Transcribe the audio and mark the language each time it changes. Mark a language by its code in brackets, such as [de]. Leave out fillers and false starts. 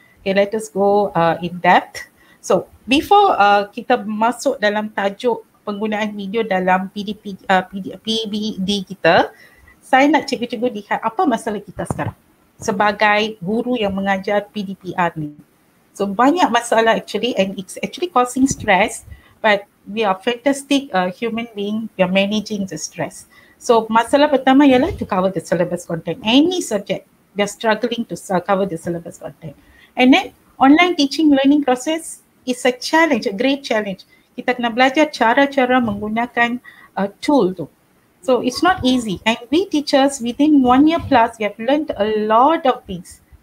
[ms] Okay, [en] let us go in depth. [ms] So before kita masuk dalam tajuk penggunaan video dalam PBD kita, saya nak cikgu-cikgu lihat apa masalah kita sekarang sebagai guru yang mengajar PDPR ni. [en] So [ms] banyak masalah [en] actually, and it's actually causing stress, but we are fantastic human being, we are managing the stress. So [ms] masalah pertama ialah [en] to cover the syllabus content. Any subject, they are struggling to cover the syllabus content. And then online teaching learning process is a challenge, a great challenge. [ms] Kita kena belajar cara-cara menggunakan tool tu. [en] So it's not easy. And we teachers, within 1 year plus, we have learned a lot of things.